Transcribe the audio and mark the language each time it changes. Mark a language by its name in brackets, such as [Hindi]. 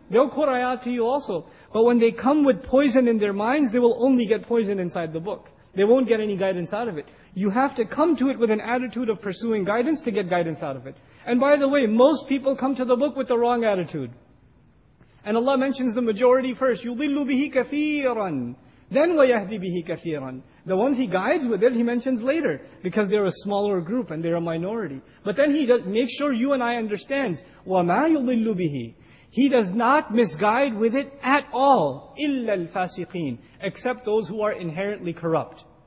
[English] They'll quote ayat to you also. But when they come with poison in their minds, they will only get poison inside the book. They won't get any guidance out of it. You have to come to it with an attitude of pursuing guidance to get guidance out of it. And by the way, most people come to the book with the wrong attitude. And Allah mentions the majority first. [Arabic] يُضِلُّ بِهِ كَثِيرًا then وَيَهْدِي بِهِ كَثِيرًا. [English] The ones He guides with it, He mentions later, because they're a smaller group and they're a minority. But then He does, makes sure you and I understand, [Arabic] وَمَا يُضِلُّ بِهِ. [English] He does not misguide with it at all. [Arabic] إِلَّا الْفَاسِقِينَ [English] except those who are inherently corrupt.